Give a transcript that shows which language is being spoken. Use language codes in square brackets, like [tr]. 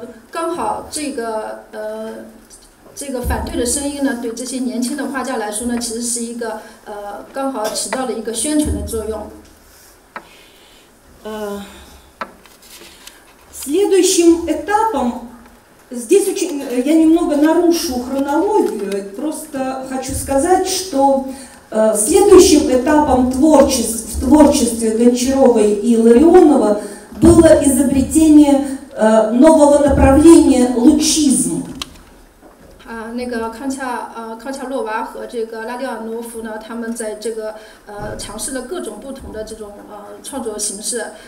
[zh] 刚好这个反对的声音呢，对这些年轻的画家来说呢，其实是一个刚好起到了一个宣传的作用。 [ru] Следующим этапом, здесь очень, я немного нарушу хронологию, просто хочу сказать, что следующим этапом в творчестве Гончаровой и Ларионова было изобретение нового направления лучизм. [zh] 那个康恰洛娃和这个拉迪尔诺夫呢，他们在这个尝试了各种不同的这种创作形式。